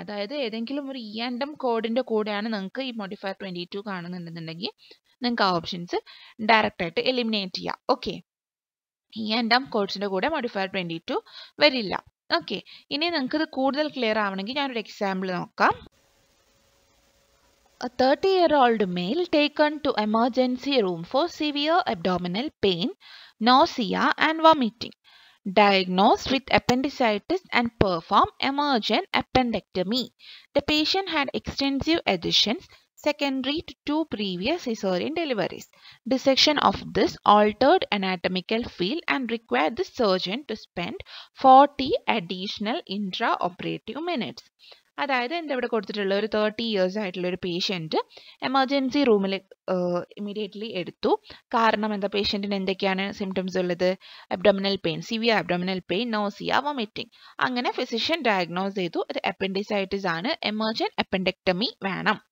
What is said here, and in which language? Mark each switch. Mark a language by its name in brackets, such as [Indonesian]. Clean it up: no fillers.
[Malayalam] അതായത് ഏതെങ്കിലും ഒരു ഇ ആൻഡ് എം കോഡിന്റെ കൂടെയാണ് നിങ്ങൾക്ക് ഈ മോഡിഫയർ 22 കാണുന്നുണ്ടെന്നുണ്ടെങ്കിൽ നിങ്ങൾക്ക് ആ ഓപ്ഷൻസ് ഡയറക്റ്റ് ആയിട്ട് എലിമിനേറ്റ് ചെയ്യാം. ഓക്കെ, ഇ ആൻഡ് എം കോഡ്സിന്റെ കൂടെ മോഡിഫയർ 22 വരില്ല. ഓക്കെ, ഇനി നിങ്ങൾക്ക് ഇത് കൂടുതൽ ക്ലിയർ ആവണമെങ്കിൽ ഞാനൊരു എക്സാമ്പിൾ നോക്കാം. [English] A 30-year-old male taken to emergency room for severe abdominal pain, nausea and vomiting. Diagnosed with appendicitis and perform emergent appendectomy. The patient had extensive adhesions secondary to two previous cesarean deliveries. Dissection of this altered anatomical field and required the surgeon to spend 40 additional intraoperative minutes. [Malayalam] അതായത് എൻ്റെ ഇവിടെ കൊടുത്തിട്ടുള്ള ഒരു 30 years ആയിട്ടുള്ള ഒരു patient emergency റൂമിൽ immediately എടുത്തു. കാരണം എന്താ, പേഷ്യൻറ്റിന് എന്തൊക്കെയാണ് സിംറ്റംസ് ഉള്ളത്? Abdominal pain, severe abdominal pain, nausea, vomiting. അങ്ങനെ ഫിസിഷ്യൻ ഡയഗ്നോസ് ചെയ്തു, അത് അപ്പെൻഡിസൈറ്റിസ് ആണ്, എമർജൻറ്റ് അപ്പെൻഡെക്ടമി വേണം.